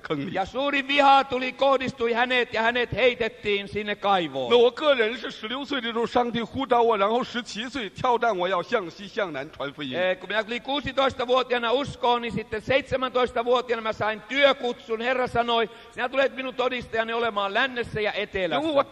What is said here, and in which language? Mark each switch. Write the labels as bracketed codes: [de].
[fi] Ja suuri viha tuli, kohdistui hänet ja hänet heitettiin sinne kaivoon. [zh] 16岁的时候上帝呼召我，然后17岁跳战，我要向西向南传福音。 [fi] Kun minä olin 16-vuotiaana uskoon, niin sitten 17-vuotiaana mä sain työkutsun. Herra sanoi, sinä tulet minun todistajani olemaan lännessä ja etelässä.